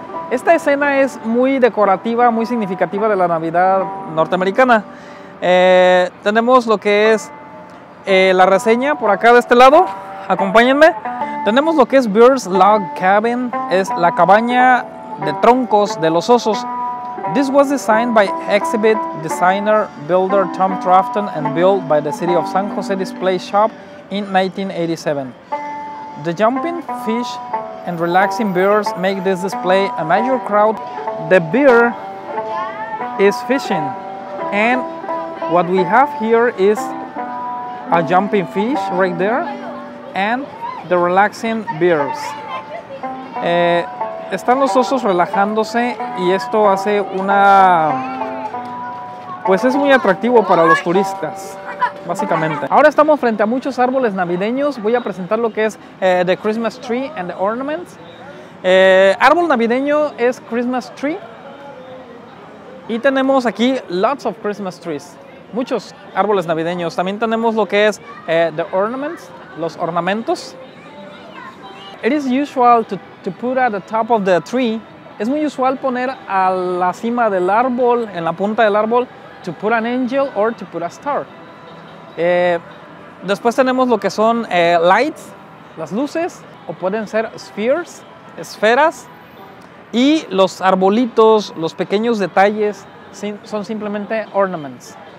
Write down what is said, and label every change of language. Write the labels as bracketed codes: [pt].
[es] Esta escena es muy decorativa, muy significativa de la Navidad norteamericana. Tenemos lo que es la reseña por acá de este lado. Acompáñenme. Tenemos lo que es Bear's Log Cabin. Es la cabaña de troncos de los osos. [en] This was designed by exhibit designer builder Tom Trafton and built by the City of San Jose Display Shop in 1987. The jumping fish and relaxing bears make this display a major crowd. The bear is fishing, and what we have here is a jumping fish right there and the relaxing bears. [es] Están los osos relajándose y esto hace una... Pues es muy atractivo para los turistas. Básicamente. Ahora estamos frente a muchos árboles navideños. Voy a presentar lo que es [en] the Christmas tree and the ornaments. [es] Árbol navideño es [en] Christmas tree. [es] Y tenemos aquí [en] lots of Christmas trees. [es] Muchos árboles navideños. También tenemos lo que es [en] the ornaments, [es] los ornamentos. [en] It is usual to put at the top of the tree. [es] Es muy usual poner a la cima del árbol, en la punta del árbol, [en] to put an angel or to put a star. [es] Después tenemos lo que son lights, las luces, o pueden ser spheres, esferas, y los arbolitos, los pequeños detalles, son simplemente ornaments.